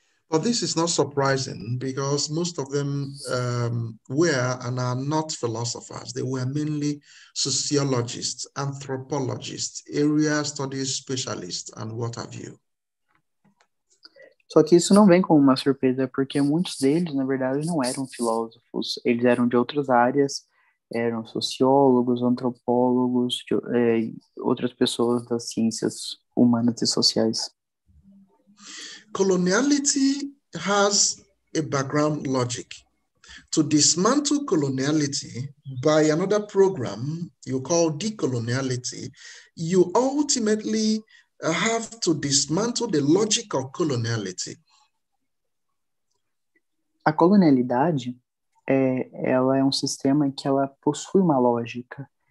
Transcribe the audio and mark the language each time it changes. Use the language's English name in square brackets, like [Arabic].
[English] Well, this is not surprising because most of them were and are not philosophers. They were mainly sociologists, anthropologists, area studies specialists, and what have you. [Portuguese] Só que isso não vem como uma surpresa, porque muitos deles, na verdade, não eram filósofos. Eles eram de outras áreas, eram sociólogos, antropólogos, outras pessoas das ciências humanas e sociais. [English] Coloniality has a background logic. To dismantle coloniality by another program you call decoloniality, you ultimately have to dismantle the logic of coloniality. [Portuguese] A colonialidade ela é um sistema que ela possui uma lógica.